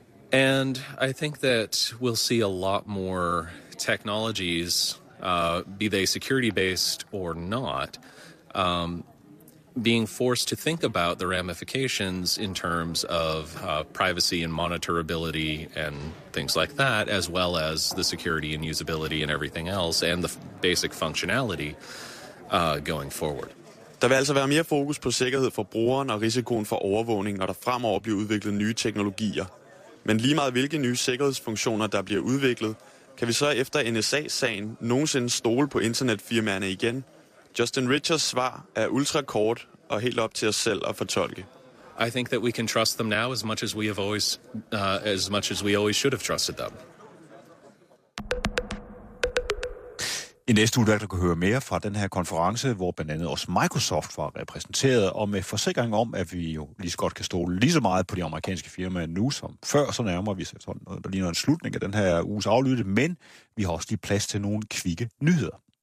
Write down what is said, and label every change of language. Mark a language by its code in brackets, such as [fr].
[en] And I think that we'll see a lot more technologies, be they security-based or not, being forced to think about the ramifications in terms of privacy and monitorability and things like that, as well as the security and usability and everything else and the basic functionality going forward. [da] Der vil altså være mere fokus på sikkerhed for brugeren og risikoen for overvågning, når der fremover bliver udviklet nye teknologier. Men lige meget hvilke nye sikkerhedsfunktioner, der bliver udviklet, kan vi så efter NSA-sagen nogensinde stole på internetfirmaerne igen? Justin Richards' svar er ultrakort og helt op til os selv at fortolke. [en] I think that we can trust them now as much as we have always, as much as we always should have trusted them. [da] I næste uge, der kan du høre mere fra den her konference, hvor blandt andet også Microsoft var repræsenteret, og med forsikring om, at vi jo lige så godt kan stole lige så meget på de amerikanske firmaer nu som før, så nærmer vi sig sådan noget, der ligner en slutning af den her uges aflytte, men vi har også lige plads til nogle kvikke nyheder.